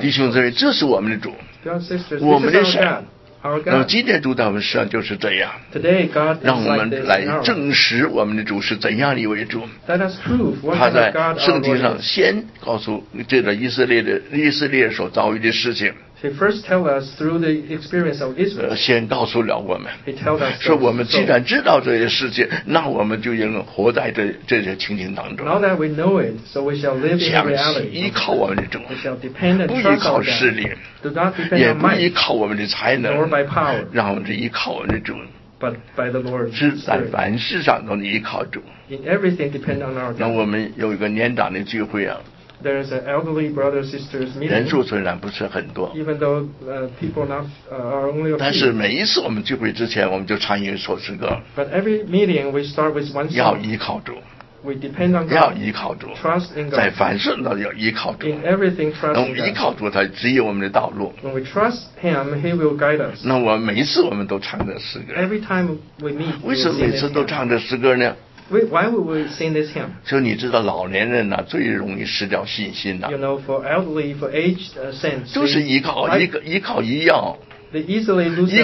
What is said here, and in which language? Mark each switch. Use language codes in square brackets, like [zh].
[zh] 弟兄姊妹这是我们的主 [en] sisters, [zh] 我们的神那么今天主在我们身上就是这样 [en] Today, God is [zh] 让我们来证实我们的主是怎样的一位主 [en] Let us prove what [zh] 他在圣经上先告诉这个以色列所遭遇的事情 [en] He first tell us through the experience of Israel [zh] 先告诉了我们 [en] He tell us [zh] 说我们既然知道这些事情那我们就应该活在这些情景当中 [en] Now that we know it so we shall live in reality [zh] 依靠我们的主 [en] We shall depend on [zh] 不依靠势力 [en] Do not depend on might, [zh] 也不依靠我们的才能 [en] nor by power, [zh] 让我们依靠我们的主 [en] but by the Lord, [zh] 是在凡事上都依靠主 [en] In everything depend on our God [zh] 那我们有一个年长的聚会啊 [en] There is an elderly brother sisters meeting. [zh] 人数虽然不是很多。 [en] Even though people not are only a few. [zh] 但是每一次我们聚会之前，我们就唱一首诗歌。 [en] But every meeting we start with one song. [zh] 要依靠主。 [en] We depend on God. [zh] 要依靠主。 [en] Trust in God. [zh] 在凡事都要依靠主。 [en] In everything, trust in God. [zh] 那我们依靠主，他指引我们的道路。 [en] When we trust Him, He will guide us. [zh] 那我每一次我们都唱这诗歌。 [en] Every time we meet. [zh] 为什么每次都唱这诗歌呢？ [en] Why would we sing this hymn? [zh] 就你知道，老年人呐、啊，最容易失掉信心呐、啊。 [en] You know, for elderly, for aged saints, [zh] 就是依靠一个依靠医药。 [en] They easily lose their hope.